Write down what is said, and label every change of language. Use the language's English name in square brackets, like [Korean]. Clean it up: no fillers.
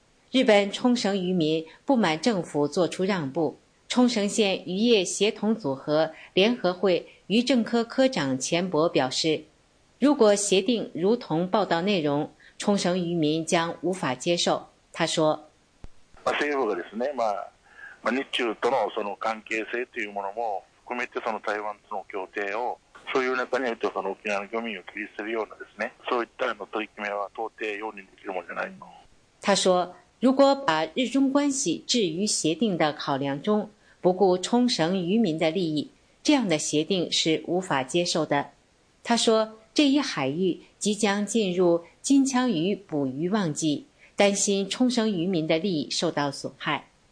[Chinese] 日本冲绳渔民不满政府做出让步，冲绳县渔业协同组合联合会渔政科科长钱博表示，如果协定如同报道内容，冲绳渔民将无法接受。他说， [Japanese] 政府ですね、日中と の, その関係性というものも含めて、その台湾との協定をそういう中においてその沖縄の漁民を切り捨てるようなですね、そういったの取り決めは到底容認できるものじゃないの。 [Chinese] 他说，如果把日中关系置于协定的考量中，不顾冲绳渔民的利益，这样的协定是无法接受的。他说，这一海域即将进入金枪鱼捕鱼旺季，担心冲绳渔民的利益受到损害。